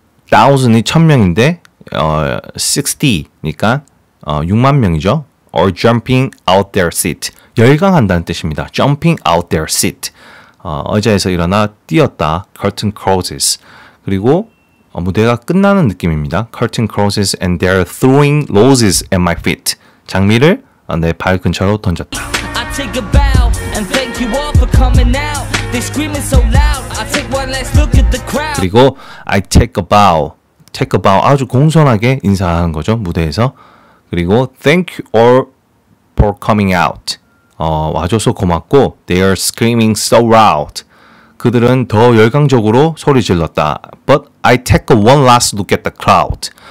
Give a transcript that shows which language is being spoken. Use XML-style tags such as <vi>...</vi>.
<ko>1,000이 1,000명인데 60니까 6만 명이죠.</ko> <en>or jumping out their seat.</en> <ko>열광한다는 뜻입니다.</ko> <en>Jumping out their seat.</en> <ko>의자에서 일어나 뛰었다.</ko> <en>Curtain closes.</en> <ko>그리고 무대가 끝나는 느낌입니다.</ko> <en>Curtain closes and they're throwing roses at my feet.</en> <ko>장미를 내 발 근처로 던졌다.</ko> <en>I take a bow and thank you all for coming out. They screaming so loud. I take one last look at the crowd.</en> <ko>그리고</ko> <en>I take a bow. Take a bow.</en> <ko>아주 공손하게 인사하는 거죠. 무대에서. 그리고</ko> <en>thank you all for coming out.</en> <ko>와줘서 고맙고</ko> <en>they are screaming so loud.</en> <ko>그들은 더 열광적으로 소리 질렀다.</ko> <en>But I take a one last look at the crowd.</en>